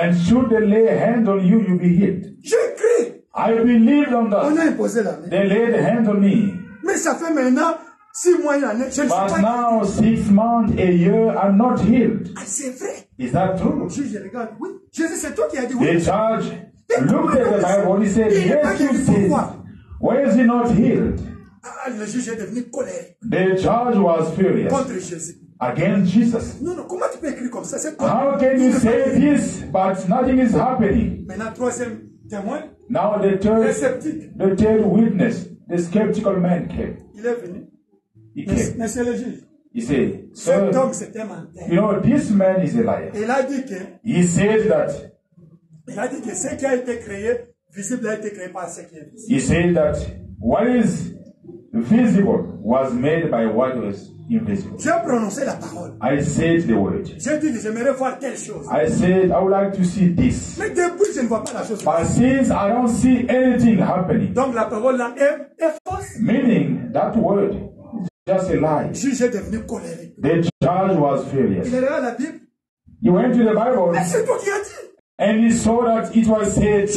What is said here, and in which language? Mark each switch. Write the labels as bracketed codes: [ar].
[en] And should they lay a hand on you, you'll be healed. [fr] Je crie. [en] I believed on that. [fr] On a imposé la main. [en] They laid a hand on me. [fr] Mais ça fait maintenant 6 mois, une année. Je [en] but [fr] ne suis pas [en] now, 6 months, a year, I'm not healed. [fr] Ah, c'est vrai. [en] Is that true? [fr] Oui, je regarde. Oui. Jésus, c'est toi qui as dit oui. [en] The charge. Look at the Bible. He said, [fr] il [en] yes, you see. Why is he not healed? [fr] Ah, le juge est devenu colère. [en] The charge was furious. [fr] Contre Jésus. [en] Against Jesus. [fr] Non, non, comment tu peux écrire comme ça? C'est quoi? [en] How can you say this, but nothing is happening? [fr] Maintenant, troisième témoin. [en] Now the third witness, the skeptical man came. [fr] Il est venu. [en] He came. [fr] Monsieur le juge. [en] He said, sir, [fr] cet homme, c'est un menteur. [en] You know, this man is a liar. [fr] Il a dit que. [en] He said that. [fr] Il a dit que ce qui a été créé, visible a été créé par ce qui est visible. [en] He said that what is visible was made by what was invisible. [fr] J'ai prononcé la parole. [en] I said the word. [fr] J'ai dit que j'aimerais voir telle chose. [en] I said I would like to see this. [fr] Mais depuis, je ne vois pas la chose. [en] But since I don't see anything happening. [fr] Donc la parole là est fausse. [en] Meaning that word is just a lie. [fr] Je suis devenu colérique. [en] The judge was furious. [fr] Il regarde la Bible. [en] He went to the Bible. [fr] Mais c'est toi qui as dit. [en] And he saw that it was said.